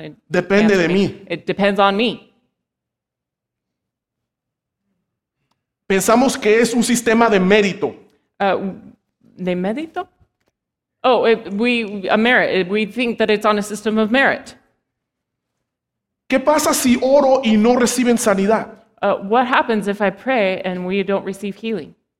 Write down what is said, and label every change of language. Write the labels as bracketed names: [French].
[Spanish] depende de mí. [English] It depends on me. [Spanish] Pensamos que es un sistema de mérito. De mérito? [English] Oh, we think that it's on a system of merit. [Spanish] ¿Qué pasa si oro y no reciben sanidad? [English] What happens if I pray and we don't receive healing?